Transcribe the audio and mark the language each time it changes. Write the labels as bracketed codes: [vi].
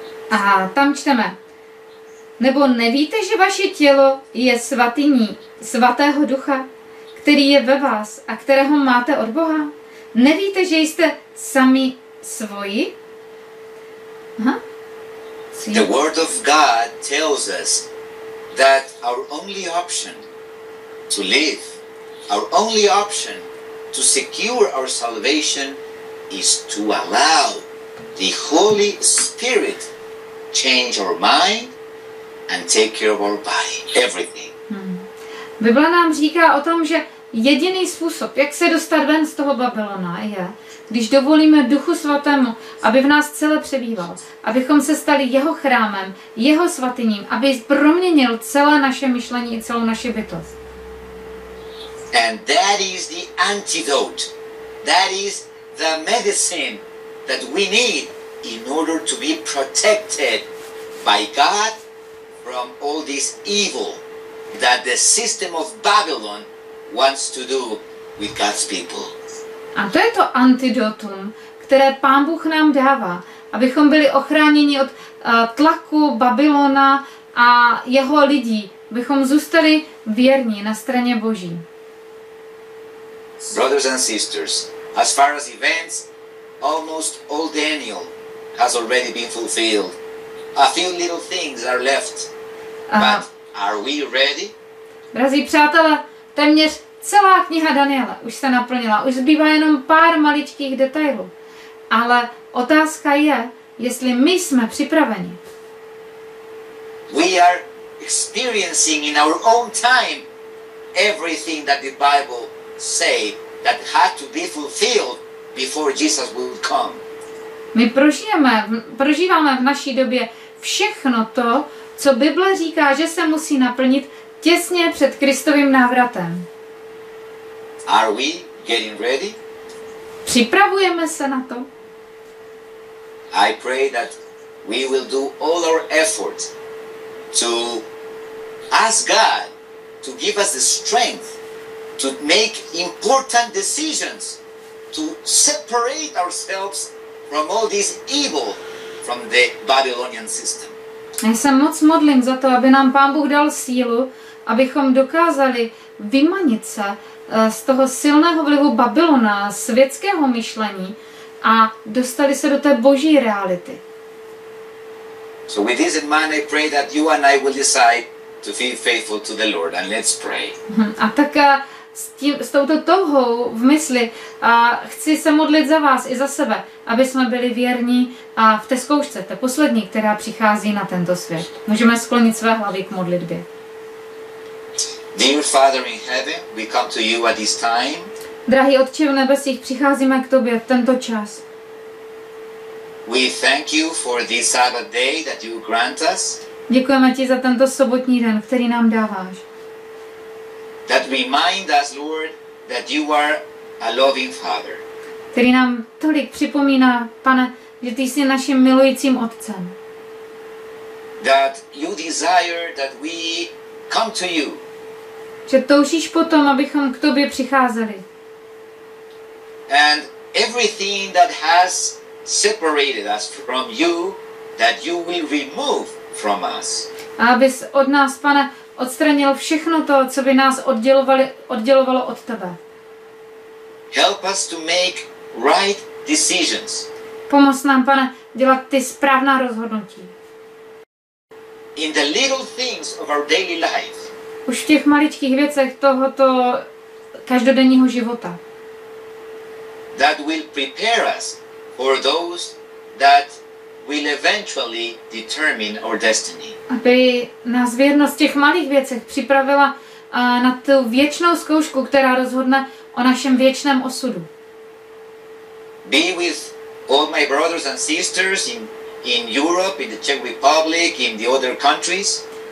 [cs] A tam čteme. Nebo nevíte, že vaše tělo je svatyní svatého ducha, který je ve vás a kterého máte od Boha? Nevíte, že jste sami svoji? [en] The word of God tells us that our only option to live, our only option to secure our salvation is to allow the Holy Spirit change our mind and take care of our body, everything. [cs] Bible nám říká o tom, že jediný způsob, jak se dostat ven z toho Babylona, je, když dovolíme Duchu Svatému, aby v nás celé přebýval, abychom se stali jeho chrámem, jeho svatyním, aby proměnil celé naše myšlení i celou naši bytost. [en] And that is the antidote. That is the medicine that we need in order to be protected by God from all this evil that the system of Babylon wants to do with God's people. [cs] A to je to antidotum, které Pán Bůh nám dává, abychom byli ochráněni od tlaku Babylona a jeho lidí, abychom zůstali věrní na straně Boží. [en] Brothers and sisters, as far as events, almost all Daniel has already been fulfilled. A few little things are left. But are we ready? [cs] Drazí přátelé, téměř celá kniha Daniela už se naplnila, už zbývá jenom pár maličkých detailů. Ale otázka je, jestli my jsme připraveni. [en] We are experiencing in our own time everything that the Bible say that had to be fulfilled before Jesus will come. [cs] My prožíváme v naší době všechno to, co Bible říká, že se musí naplnit těsně před Kristovým návratem. [en] Are we getting ready? [cs] Připravujeme se na to. [en] I pray that we will do all our efforts to ask God to give us the strength to make important decisions to separate ourselves from all this evil from the Babylonian system. [cs] Já se moc modlím za to, aby nám Pán Bůh dal sílu, abychom dokázali vymanit se z toho silného vlivu Babylona, světského myšlení a dostali se do té Boží reality. [en] So with this in mind, I pray that you and I will decide to be faithful to the Lord and let's pray. [cs] A tak s touto touhou v mysli chci se modlit za vás i za sebe, aby jsme byli věrní a v té zkoušce, té poslední, která přichází na tento svět. Můžeme sklonit své hlavy k modlitbě. [en] Dear Father in heaven, we come to you at this time. [cs] Drahý Otče v nebesích, přicházíme k tobě v tento čas. [en] We thank you for this Sabbath day that you grant us. [cs] Děkujeme ti za tento sobotní den, který nám dáváš. [en] That remind us, Lord, that you are a loving Father. [cs] Který nám tolik připomíná, Pane, že ty jsi naším milujícím Otcem. [en] That you desire that we come to you. [cs] Že toužíš potom, abychom k tobě přicházeli. [en] And everything that has separated us from you, that you will remove from us. [cs] A abys od nás, Pane, odstranil všechno to, co by nás oddělovalo od tebe. [en] Help us to make right decisions. [cs] Pomoz nám, Pane, dělat ty správná rozhodnutí. [en] In the little things of our daily life. [cs] Už v těch maličkých věcech tohoto každodenního života. [en] That will prepare us or those that will eventually determine our destiny. [cs] Aby nás věrnost v těch malých věcech připravila na tu věčnou zkoušku, která rozhodne o našem věčném osudu. [en] Be with all my brothers and sisters in Europe, in the Czech Republic, in the other countries.